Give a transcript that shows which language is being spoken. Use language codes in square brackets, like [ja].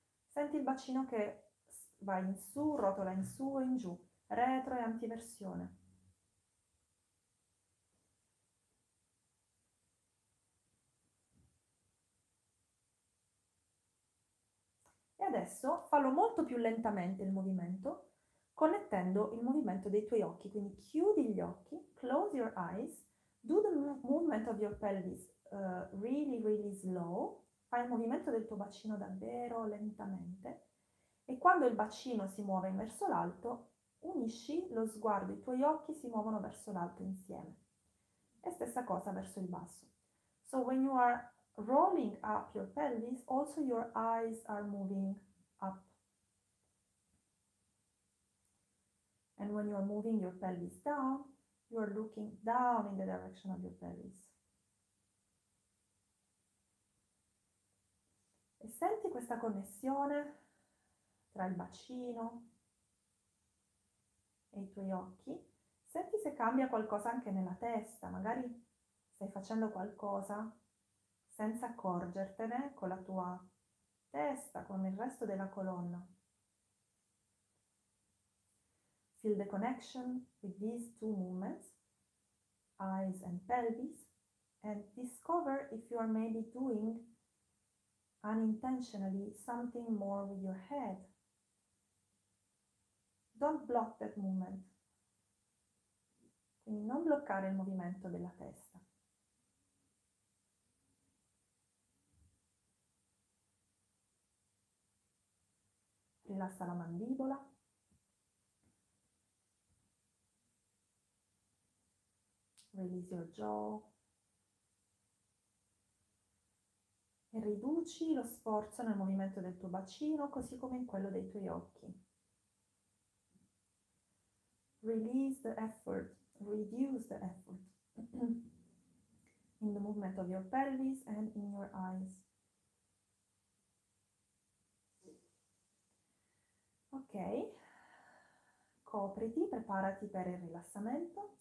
[it] Senti il bacino che va in su, rotola in su e in giù, retro e antiversione. Adesso fallo molto più lentamente il movimento, connettendo il movimento dei tuoi occhi. Quindi chiudi gli occhi, [en] close your eyes, do the movement of your pelvis really, really slow. [it] Fai il movimento del tuo bacino davvero lentamente. E quando il bacino si muove verso l'alto, unisci lo sguardo, i tuoi occhi si muovono verso l'alto insieme. E stessa cosa verso il basso. [en] So when you are rolling up your pelvis, also your eyes are moving up. And when you are moving your pelvis down, you are looking down in the direction of your pelvis. [it] E senti questa connessione tra il bacino e i tuoi occhi. Senti se cambia qualcosa anche nella testa. Magari stai facendo qualcosa senza accorgertene con la tua testa, con il resto della colonna. [en] Feel the connection with these two movements, eyes and pelvis, and discover if you are maybe doing unintentionally something more with your head. Don't block that movement. [it] Quindi non bloccare il movimento della testa. Rilassa la mandibola. [en] Release your jaw. [it] E riduci lo sforzo nel movimento del tuo bacino, così come in quello dei tuoi occhi. [en] Release the effort, reduce the effort in the movement of your pelvis and in your eyes. [it] Ok, copriti, preparati per il rilassamento.